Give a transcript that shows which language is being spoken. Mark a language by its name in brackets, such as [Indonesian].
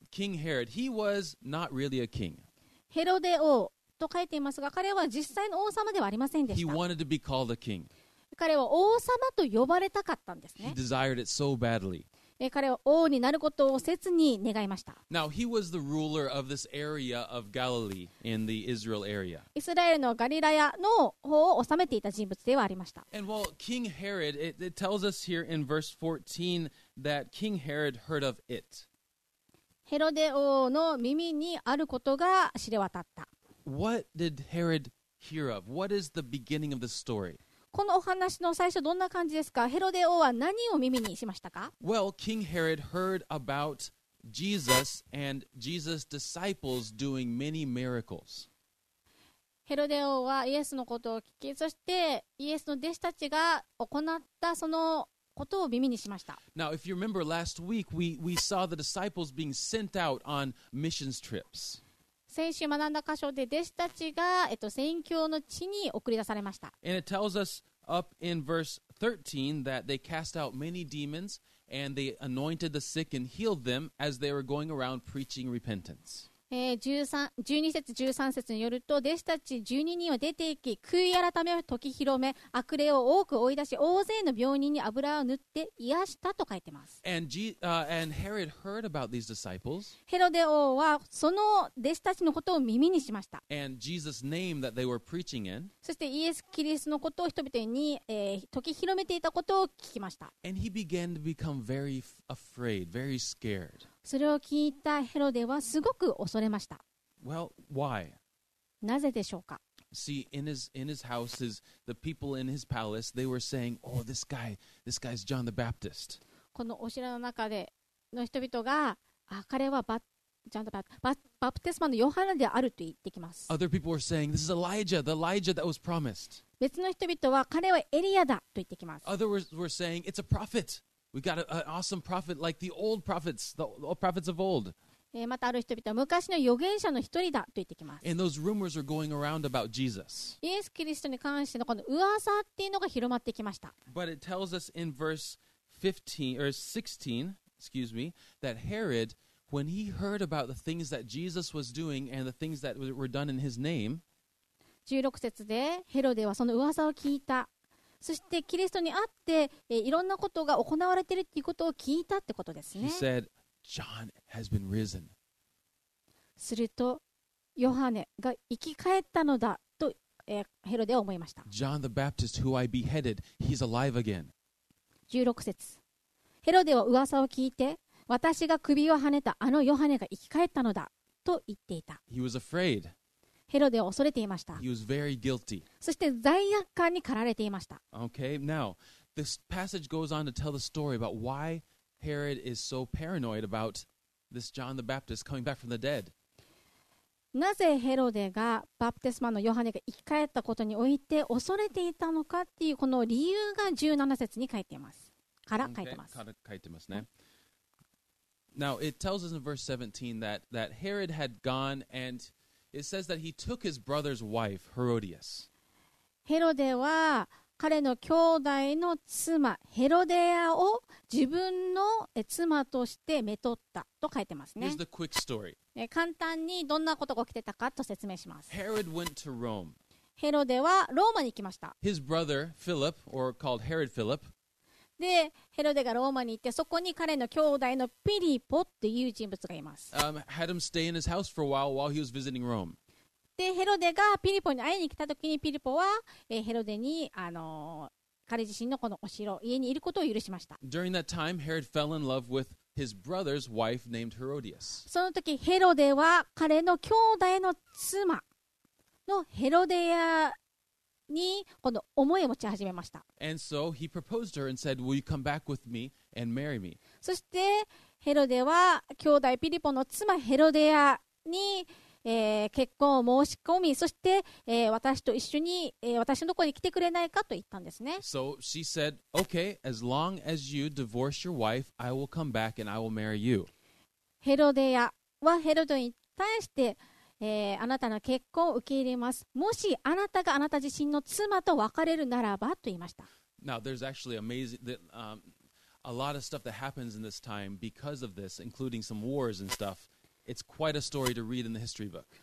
[English] King Herod, he was not really a king. [Japanese] ヘロデ王と書いていますが、彼は実際の王様ではありませんでした。 [English] He wanted to be called a king. [Japanese] 彼は王様と呼ばれたかったんですね。 [English] He desired it so badly. [Japanese] 彼は王になることを切に願いました。 [English] Now, he was the ruler of this area of Galilee in the Israel area. [Japanese] イスラエルのガリラヤの方を治めていた人物ではありました。 [English] And well, King Herod, it tells us here in verse 14 that King Herod heard of it. [Japanese] ヘロデ王の耳にあることが知れ渡った。 [English] What did Herod hear of? What is the beginning of the story? [Japanese] このお話の最初どんな感じですか？ヘロデ王は何を耳にしましたか？ [English] Well, King Herod heard about Jesus and Jesus' disciples doing many miracles. [Japanese] ヘロデ王はイエスのことを聞き、そしてイエスの弟子たちが行ったそのことを耳にしました。 [English] Now, if you remember last week, we saw the disciples being sent out on missions trips. [Japanese] 先週学んだ箇所で弟子たちが、宣教の地に送り出されました。 [English] And it tells us up in verse 13 that they cast out many demons and they anointed the sick and healed them as they were going around preaching repentance. [Japanese] 12節13節によると、弟子たち12人は出て行き、悔い改めを説き広め、悪霊を多く追い出し、大勢の病人に油を塗って癒したと書いてます。 [English] And Herod heard about these disciples. [Japanese] ヘロデ王はその弟子たちのことを耳にしました。 [English] And Jesus' name that they were preaching in. [Japanese] そしてイエス・キリストのことを人々に、説き広めていたことを聞きました。 [English] And he began to become very afraid, very scared. [Japanese] それを聞いたヘロデはすごく恐れました。 [English] Well, why? [Japanese] なぜでしょうか? [English] See, in his house, the people in his palace, they were saying, oh, this guy's John the Baptist. [Japanese] このお城の中での人々が、あ、彼はバッちゃんとバプテスマのヨハネであると言ってきます。 [English] Other people were saying, this is Elijah, the Elijah that was promised. [Japanese] 別の人々は彼はエリアだと言ってきます。 [English] Others were saying, it's a prophet. We got an awesome prophet like the old prophets, the old prophets of old. [Japanese] またある人々は昔の預言者の一人だと言ってきます。 [English] And those rumors are going around about Jesus. [Japanese] イエス・キリストに関してのこの噂っていうのが広まってきました。 [English] But it tells us in verse 15, or 16, excuse me, that Herod,When he heard about the things that Jesus was doing and the things that were done in his name, [Japanese] 16節でヘロデはその噂を聞いた。そしてキリストに会って、いろんなことが行われているということを聞いたってことですね。 [English] He said, John has been risen. [Japanese] するとヨハネが生き返ったのだと、ヘロデは思いました。 [English] John the Baptist, who I beheaded, he's alive again. [Japanese] 16節ヘロデは噂を聞いて私が首をはねたあのヨハネが生き返ったのだと言っていた。 [English] He was afraid. [Japanese] ヘロデは恐れていました。 [English] He was very guilty. [Japanese] そして罪悪感に駆られていました。 [English] Okay, now, this passage goes on to tell the story about why Herod is so paranoid about this John the Baptist coming back from the dead. [Japanese] なぜヘロデがバプテスマのヨハネが生き返ったことにおいて恐れていたのかっていうこの理由が17節に書いています。から書いてます。 Okay, から書いてますね。はい。 [English] Now it tells us in verse 17 that Herod had gone and it says that he took his brother's wife, Herodias. [Japanese] ヘロデは彼の兄弟の妻ヘロデアを自分の妻としてめとったと書いてますね。 [English] Here's the quick story. [Japanese] 簡単にどんなことが起きてたかと説明します。 [English] Herod went to Rome. [Japanese] ヘロデはローマに行きました。 [English] His brother Philip, or called Herod Philip, [Japanese] でヘロデがローマに行ってそこに彼の兄弟のピリポっていう人物がいます。 [English] Had him stay in his house for a while he was visiting Rome. [Japanese] でヘロデがピリポに会いに来た時にピリポは、ヘロデに、彼自身のこのお城家にいることを許しました。 [English] During that time, Herod fell in love with his brother's wife named Herodias. [Japanese] その時ヘロデは彼の兄弟の妻のヘロデアにこの思いを持ち始めました。 [English] And so he proposed her and said, "Will you come back with me and marry me?" [Japanese] そしてヘロデは兄弟ピリポの妻ヘロデアに、結婚を申し込み、そして、私と一緒に、私のところに来てくれないかと言ったんですね。 [English] So she said, "Okay, as long as you divorce your wife, I will come back and I will marry you." [Japanese] ヘロデアはヘロデに対して。あなたの結婚を受け入れます。もしあなたがあなた自身の妻と別れるならばと言いました。 [English] Now, there's actually amazing, a lot of stuff that happens in this time because of this, including some wars and stuff. It's quite a story to read in the history book.